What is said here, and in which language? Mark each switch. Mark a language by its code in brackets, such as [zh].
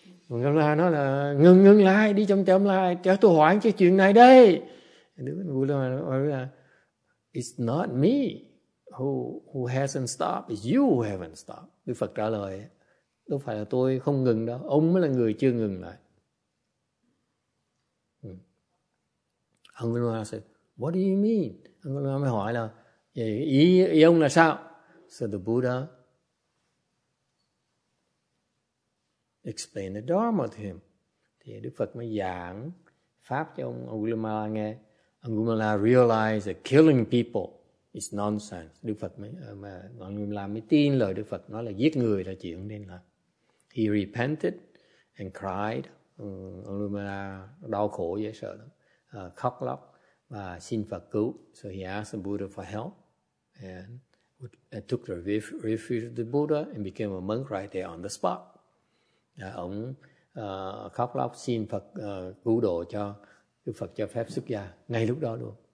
[vi] Angulimala nói là, ngừng lại, đi chậm lại, cho tôi hỏi anh cái chuyện này đây. [en] Angulimala [vi] nói là, [en] it's not me who hasn't stopped, it's you who haven't stopped. [vi] Đức Phật trả lời, đâu phải là tôi không ngừng đâu, ông mới là người chưa ngừng lại. [en] Angulimala said, what do you mean? [vi] Angulimala mới hỏi là, ý ông là sao? [en] So the Buddha explained the Dharma to him. [vi] Thì Đức Phật mới giảng pháp cho ông Angulimala nghe. [en] Angulimala realized that killing people is nonsense. [vi] Đức Phật mới, mà Angulimala mới tin lời Đức Phật nói là giết người là chuyện nên là. [en] He repented and cried. [vi] Angulimala đau khổ dễ sợ lắm. Khóc lóc và xin Phật cứu. [en] So he asked the Buddha for help. And took the refuge of the Buddha and became a monk right there on the spot. [vi] Ông khóc lóc xin Phật cứu độ cho Đức Phật cho phép xuất gia ngay lúc đó luôn.